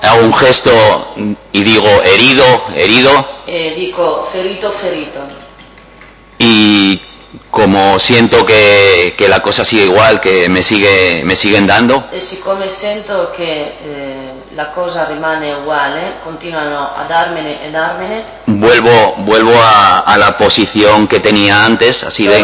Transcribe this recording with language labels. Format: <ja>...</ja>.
<es>Hago un gesto y digo herido, herido.</es> <it>Dico ferito, ferito.</it> <es>Y como siento que la cosa sigue igual, que me siguen dando.</es> <it>E siccome sento che la cosa rimane uguale, continuano a darmene e darmene.</it> <es>Vuelvo a la posición que tenía antes, así de.</es>